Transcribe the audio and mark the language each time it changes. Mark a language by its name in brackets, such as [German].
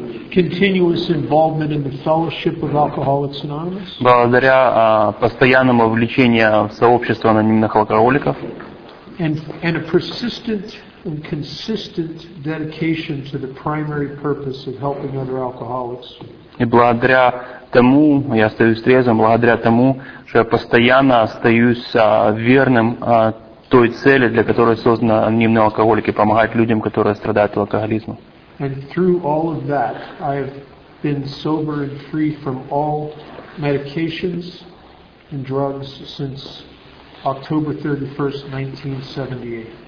[English] Continuous involvement in the fellowship of Alcoholics Anonymous. [Russian] Благодаря постоянному вовлечению в сообщество анонимных алкоголиков. [English] And a persistent and consistent dedication to the primary purpose of helping other alcoholics. [Russian] И благодаря тому, я остаюсь трезвым, благодаря тому, что я постоянно остаюсь верным той цели, для которой созданы анонимные алкоголики, помогать людям, которые страдают от алкоголизма. [English] And through all of that, I have been sober and free from all medications and drugs since October 31st, 1978.